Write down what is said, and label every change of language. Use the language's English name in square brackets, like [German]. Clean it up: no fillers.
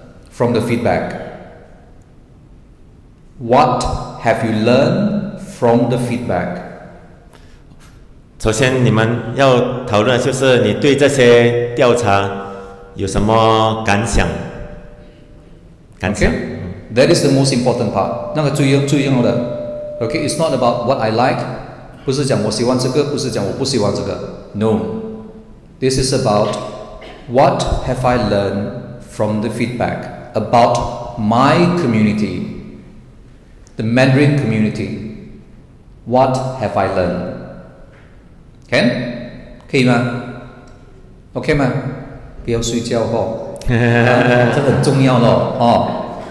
[English] From the feedback, what have you learned from the feedback? [Chinese] 首先，你们要讨论就是你对这些调查有什么感想？感想。 [English] Okay. That is the most important part. [Chinese] 那个最重要的。 [English] Okay, it's not about what I like. [Chinese] 不是讲我喜欢这个，不是讲我不喜欢这个。 [English] No. This is about what have I learned from the feedback. About my community, the Mandarin community. What have I learned? Can? [Chinese] 可以吗 ？OK 吗？不要睡觉哦，啊、这很重要喽哦。